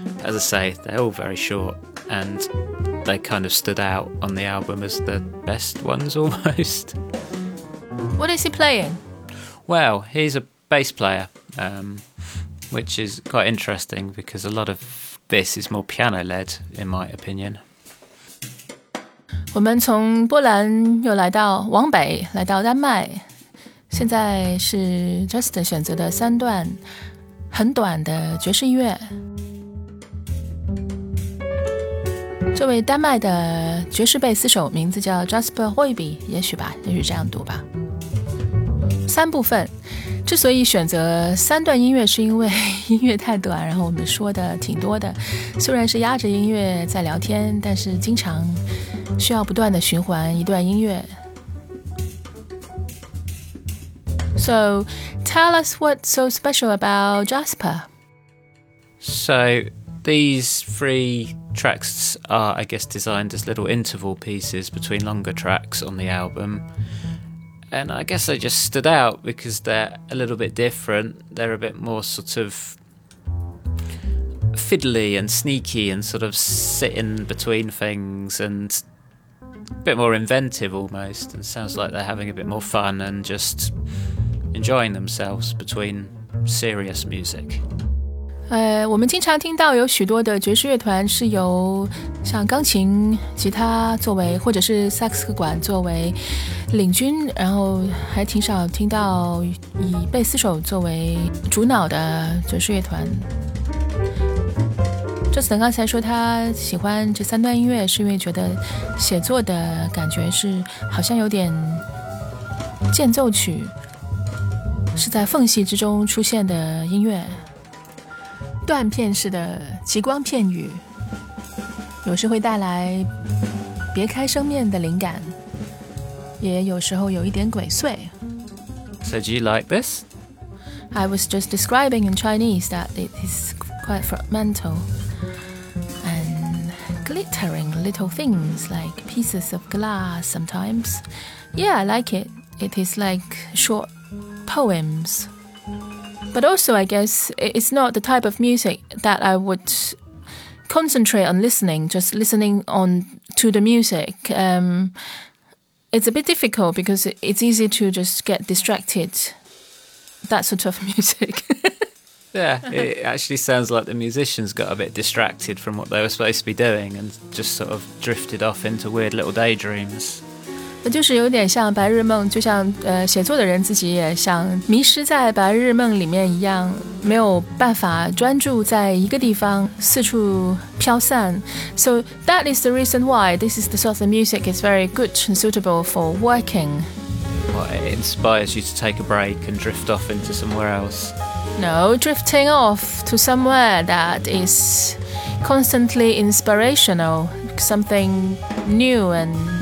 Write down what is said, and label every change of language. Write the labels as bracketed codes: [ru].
[en] As I say, they're all very short, and they kind of stood out on the album as the best ones, almost. What is he playing? Well, he's a bass player, which is quite interesting because a lot of this is more piano-led, in my opinion. [zh] 我们从波兰又来到往北，来到丹麦。现在是 Just 选择的三段很短的爵士乐。这位丹麦的爵士贝斯手名字叫 Jasper Højby， 也许吧，也许这样读吧。三部分，之所以选择三段音乐，是因为音乐太短，然后我们说的挺多的。虽然是压着音乐在聊天，但是经常需要不断的循环一段音乐。 [en] So, tell us what's so special about Jasper. So, these three tracks are, I guess, designed as little interval pieces between longer tracks on the album. And I guess they just stood out because they're a little bit different. They're a bit more sort of fiddly and sneaky and sort of sitting between things and a bit more inventive almost. And sounds like they're having a bit more fun and just... enjoying themselves between serious music. [zh] 我们经常听到有许多的爵士乐团是由像钢琴、吉他作为，或者是萨克斯管作为领军，然后还挺少听到以贝斯手作为主脑的爵士乐团。 Justin 刚才说他喜欢这三段音乐，是因为觉得写作的感觉是好像有点间奏曲。是在缝隙之中出现的音乐，断片式的极光片语，有时会带来别开生面的灵感，也有时候有一点鬼祟。 [en] So do you like this? I was just describing in Chinese that it is quite fragmental and glittering little things like pieces of glass sometimes. Yeah, I like it. It is like short. Poems. But also, I guess, it's not the type of music that I would concentrate on listening, just listening on to the music. It's a bit difficult because it's easy to just get distracted. That sort of music. Yeah, it actually sounds like the musicians got a bit distracted from what they were supposed to be doing and just sort of drifted off into weird little daydreams. [zh] 就是有点像白日梦，就像写作的人自己也像迷失在白日梦里面一样，没有办法专注在一个地方，四处飘散。 [en] So that is the reason why this is the sort of music is very good and suitable for working. Well, it inspires you to take a break and drift off into somewhere else. No, drifting off to somewhere that is constantly inspirational, something new and.